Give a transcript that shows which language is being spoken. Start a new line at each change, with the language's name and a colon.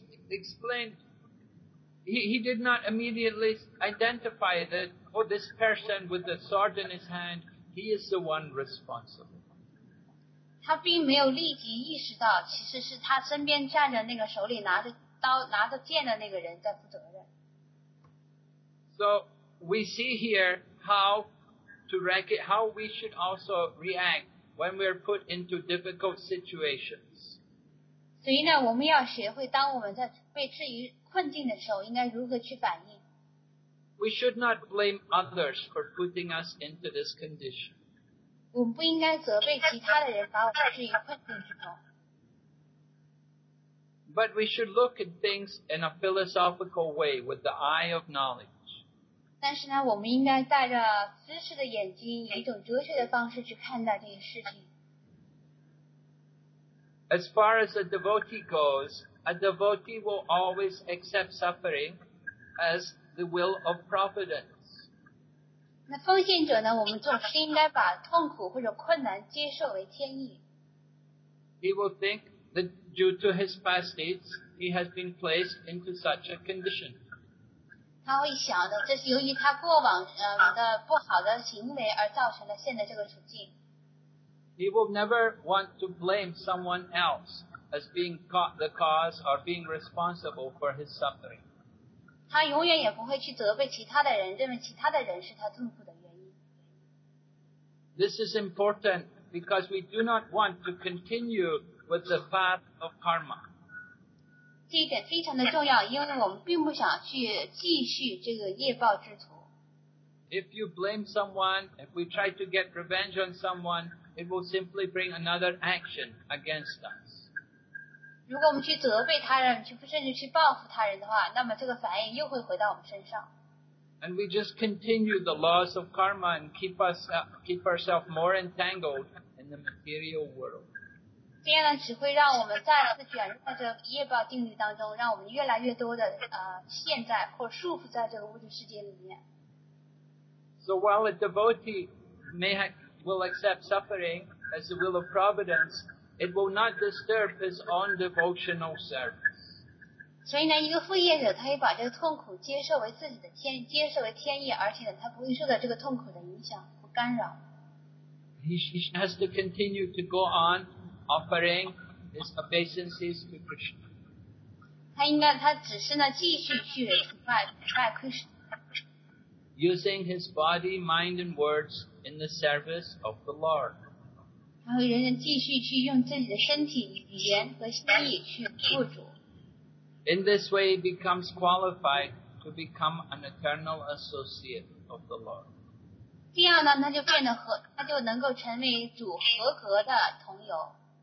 English: He explained, he did not immediately identify that, oh, this person with the sword in his hand, he is the one responsible.
Chinese: 他并没有立即意识到，其实是他身边站着那个手里拿着刀、拿着剑的那个人在负责任。
English: So we see here how we should also react when we are put into difficult situations.
Chinese: 所以呢，我们要学会，当我们在被置于困境的时候，应该如何去反应。
English: We should not blame others for putting us into this condition.
Chinese: 我们不应该责备其他的人把我们置于困境之中。
English: But we should look at things in a philosophical way with the eye of knowledge.
Chinese: 但是呢，我们应该带着知识的眼睛，以一种哲学的方式去看待这些事情。
English: As far as a devotee goes, a devotee will always accept suffering as the will of providence.
Chinese: 那奉献者呢，我们总是应该把痛苦或者困难接受为天意。
English: He will think that due to his past deeds, he has been placed into such a condition.
Chinese: 他会想的，这是由于他过往的不好的行为而造成的现在这个处境。
English: He will never want to blame someone else as being the cause or being responsible for his suffering.
Chinese: 他永远也不会去责备其他的人，认为其他的人是他痛苦的原因。
English: This is important because we do not want to continue with the path of karma.
Chinese: 这一点非常的重要，因为我们并不想去继续这个业报之徒。
English: If you blame someone, if we try to get revenge on someone, it will simply bring another action against us.
Chinese: 如果我们去责备他人，甚至去报复他人的话，那么这个反应又会回到我们身上。
English: And we just continue the laws of karma and keep ourselves more entangled in the material world.
Chinese: 这样呢，只会让我们再次卷入在这个业报定律当中，让我们越来越多的陷在或束缚在这个物质世界里面。
English: So while a devotee will accept suffering as the will of providence, it will not disturb his own devotional service.
Chinese: 所以呢，一个副业者他也把这个痛苦接受为自己的天，接受为天意，而且呢，他不会受到这个痛苦的影响或干扰。
English: He has to continue to go on. Offering his obeisances to Krishna.
Chinese: 他应该，他只是呢，继续去拜 Krishna.
English: Using his body, mind, and words in the service of the Lord.
Chinese: 他会仍然继续去用自己的身体、语言和心意去服主。
English: In this way, he becomes qualified to become an eternal associate of the Lord.
Chinese: 这样呢，他就能够成为主合格的同友。